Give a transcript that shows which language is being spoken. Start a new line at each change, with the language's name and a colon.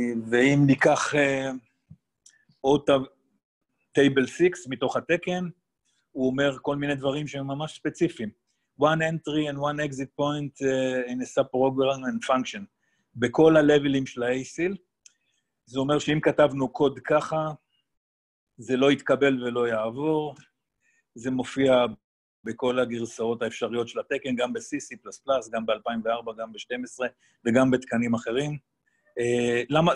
Hebrew: ואם ניקח עוד table 6 מתוך התקן, הוא אומר כל מיני דברים שהם ממש ספציפיים.
English: One entry and one exit point in a subprogram and function.
Hebrew: בכל הלבלים של ה-ASIL, זה אומר שאם כתבנו קוד ככה, זה לא יתקבל ולא יעבור. זה מופיע בכל הגרסאות האפשריות של התקן, גם ב-CC++, גם ב-2004, גם ב-12, וגם בתקנים אחרים. למה?